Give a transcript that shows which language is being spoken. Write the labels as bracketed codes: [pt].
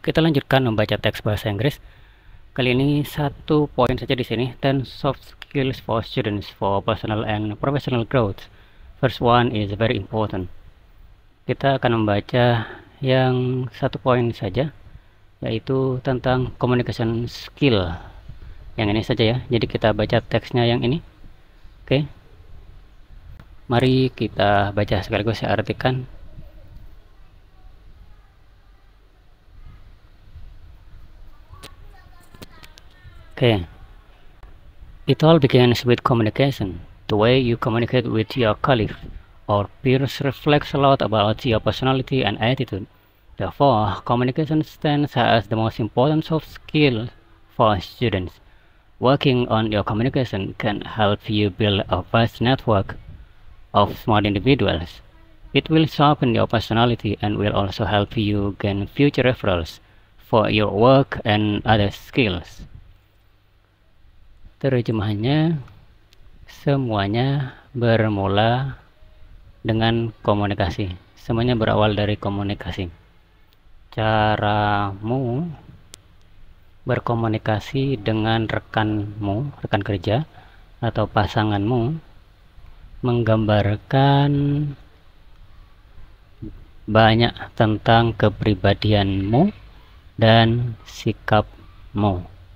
[id] Kita lanjutkan membaca teks bahasa Inggris. Kali ini satu poin saja di sini. [en] 10 soft skills for students for personal and professional growth. First one is very important. [id] Kita akan membaca yang satu poin saja, yaitu tentang communication skill. Yang ini saja ya. Jadi kita baca teksnya yang ini. Oke. Okay. Mari kita baca sekaligus saya artikan. [en] Okay. It all begins with communication. The way you communicate with your colleagues or peers reflects a lot about your personality and attitude. Therefore, communication stands as the most important soft skill for students. Working on your communication can help you build a vast network of smart individuals. It will sharpen your personality and will also help you gain future referrals for your work and other skills. [id] Terjemahannya, semuanya bermula dengan komunikasi. Semuanya berawal dari komunikasi. Caramu berkomunikasi dengan rekanmu, rekan kerja, atau pasanganmu menggambarkan banyak tentang kepribadianmu dan sikapmu.